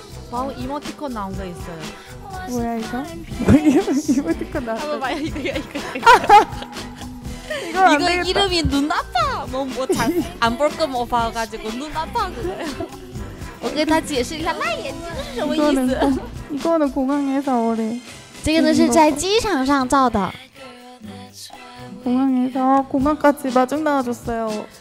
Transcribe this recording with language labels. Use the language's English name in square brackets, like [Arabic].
[Korean] 와우, 이모티콘 나온 거 있어요. 뭐야 이거? 뭐 이모티콘 나왔어. 한번 봐요, 이거야, 이거. 이거 안 이거 되겠다. 이름이 눈아파. 뭐 잘 안 볼 거 못 봐가지고 눈아파 그거. 오케이, 다 [Chinese] 解释一下, 나 眼睛是什么意思? [Korean] 이거는, 이거는 공항에서 우리. [Chinese] 这个呢是在机场上照的. [Korean] 공항에서 공항까지 마중 나와줬어요.